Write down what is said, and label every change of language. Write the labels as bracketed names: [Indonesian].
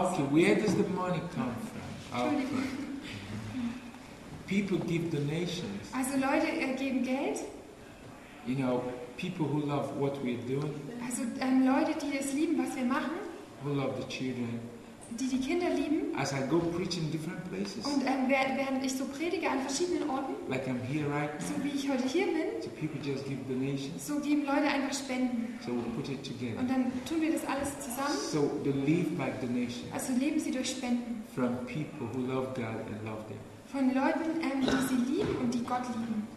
[English] Where does the money come from? Okay, where does the money come from? People give donations. [German] Also Leute geben Geld. [English] You know, people who love what we're doing. [German] Also Leute, die es lieben, was wir machen. [English] Who love the children. [German] Die Kinder lieben. [English] As I go preach in different places. [German] Und während ich so predige an verschiedenen Orten. [English] Like I'm here right now. [German] So wie ich heute hier bin. [English] So people just give donations. [German] So geben Leute einfach Spenden. [English] So we put it together. [German] Und dann tun wir das alles zusammen. [English] So they live by donations. [German] Also leben sie durch Spenden. [English] From people who love God and love them. [German] Von Leuten, die sie lieben und die Gott lieben.